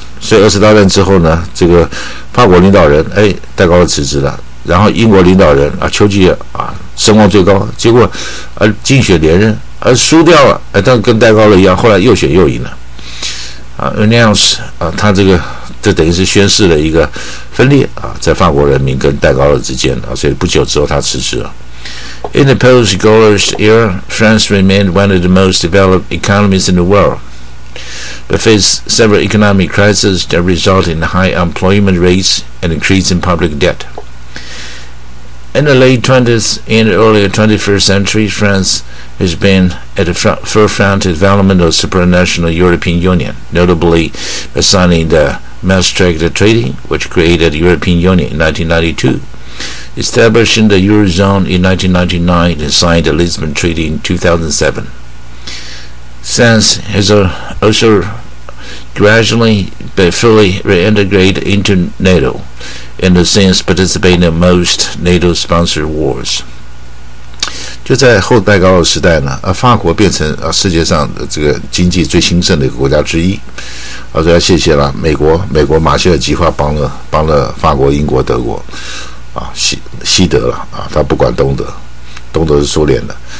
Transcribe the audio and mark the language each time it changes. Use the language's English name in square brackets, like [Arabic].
[Chinese] 所以二次大战之后呢，这个法国领导人戴高乐辞职了，然后英国领导人啊丘吉尔啊声望最高，结果竞选连任而输掉了，但跟戴高乐一样，后来又选又赢了啊 ，announce 啊，他这等于是宣示了一个分裂啊，在法国人民跟戴高乐之间啊，所以不久之后他辞职了。 [English] In the post-Gaullist era, France remained one of the most developed economies in the world. But faced several economic crises that resulted in high unemployment rates and increase in public debt. In the late 20th and early 21st century, France has been at the forefront of development of the supranational European Union, notably by signing the Maastricht Treaty, which created the European Union in 1992, establishing the Eurozone in 1999, and signed the Lisbon Treaty in 2007. France has also gradually but fully reintegrated into NATO and has since participated in most NATO-sponsored wars. [Chinese] 就在后戴高乐时代呢，法国变成世界上这个经济最兴盛的一个国家之一。所以要谢谢了美国马歇尔计划帮了法国、英国、德国西德了他不管东德是苏联的。